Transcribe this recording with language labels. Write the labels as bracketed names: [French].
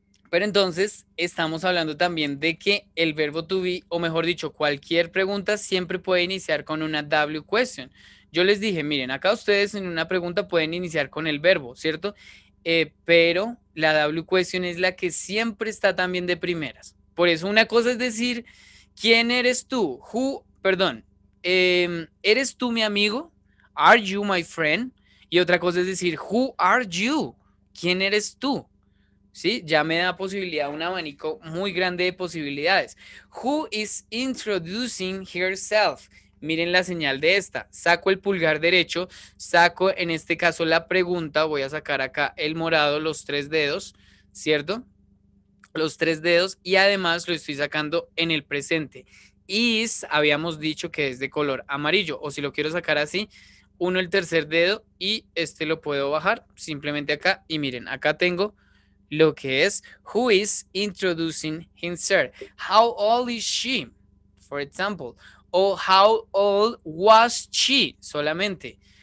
[Spanish] Pero entonces estamos hablando también de que el verbo to be, o mejor dicho, cualquier pregunta siempre puede iniciar con una W question. Yo les dije, miren, acá ustedes en una pregunta pueden iniciar con el verbo, ¿cierto? Pero la W question es la que siempre está también de primeras. Por eso una cosa es decir, ¿quién eres tú? ¿Eres tú mi amigo? [English] Are you my friend? [Spanish] Y otra cosa es decir, [English] who are you? [Spanish] ¿Quién eres tú? ¿Sí? Ya me da posibilidad, un abanico muy grande de posibilidades. [English] Who is introducing herself? [Spanish] Miren la señal de esta. Saco el pulgar derecho, saco en este caso la pregunta, voy a sacar acá el morado, los tres dedos, ¿cierto? Los tres dedos, y además lo estoy sacando en el presente. Is, habíamos dicho que es de color amarillo, o si lo quiero sacar así, uno el tercer dedo y este lo puedo bajar simplemente acá. Y miren, acá tengo lo que es [English] who is introducing himself. How old is she, for example? O how old was she, [Spanish] solamente.